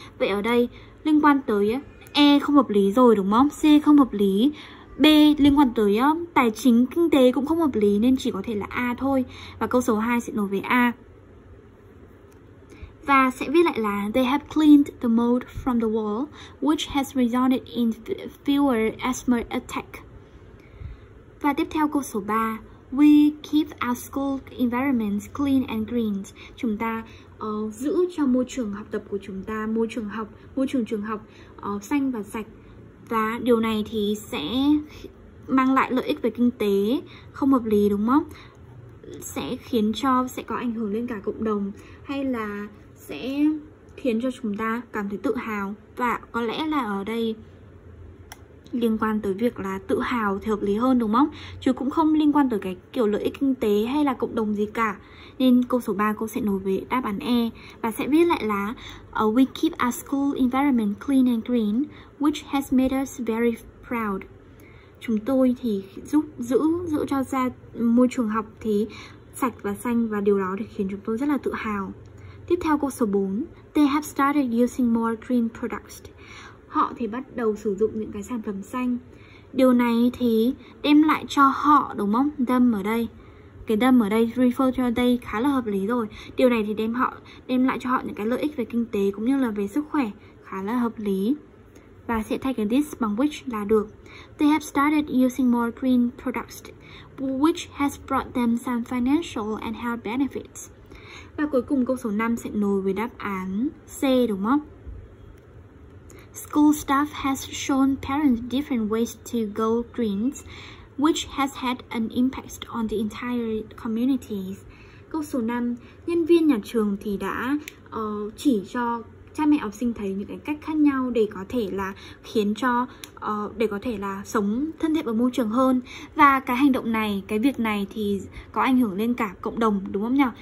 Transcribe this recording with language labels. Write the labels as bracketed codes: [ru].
[vi] Vậy ở đây liên quan tới E không hợp lý rồi đúng không? C không hợp lý. B liên quan tới tài chính kinh tế cũng không hợp lý nên chỉ có thể là A thôi. Và câu số 2 sẽ nối với A. Và sẽ viết lại là [en] they have cleaned the mold from the wall, which has resulted in fewer asthma attacks. [vi] Và tiếp theo câu số 3, [en] we keep our school environment clean and green. [vi] Chúng ta giữ cho môi trường học tập của chúng ta, môi trường trường học xanh và sạch. Và điều này thì sẽ mang lại lợi ích về kinh tế, không hợp lý đúng không? Sẽ khiến cho, sẽ có ảnh hưởng lên cả cộng đồng hay là sẽ khiến cho chúng ta cảm thấy tự hào. Và có lẽ là ở đây liên quan tới việc là tự hào thì hợp lý hơn đúng không? Chứ cũng không liên quan tới cái kiểu lợi ích kinh tế hay là cộng đồng gì cả. Nên câu số 3 cô sẽ nối với đáp án E. Và sẽ viết lại là [en] we keep our school environment clean and green, which has made us very proud. [vi] Chúng tôi thì giữ cho ra môi trường học thì sạch và xanh, và điều đó thì khiến chúng tôi rất là tự hào. Tiếp theo câu số 4, [en] they have started using more green products. [vi] Họ thì bắt đầu sử dụng những cái sản phẩm xanh. Điều này thì đem lại cho họ, đúng không? Them ở đây. Cái them ở đây refer cho they khá là hợp lý rồi. Điều này thì đem lại cho họ những cái lợi ích về kinh tế cũng như là về sức khỏe, khá là hợp lý. Và sẽ thay cái this bằng which là được. [en] They have started using more green products, which has brought them some financial and health benefits. [vi] Và cuối cùng câu số 5 sẽ nối với đáp án C đúng không? [en] School staff has shown parents different ways to go green, which has had an impact on the entire community. [vi] Câu số 5, nhân viên nhà trường thì đã chỉ cho cha mẹ học sinh thấy những cái cách khác nhau để có thể là khiến cho để có thể là sống thân thiện với môi trường hơn. Và cái hành động này, cái việc này thì có ảnh hưởng lên cả cộng đồng đúng không nhỉ?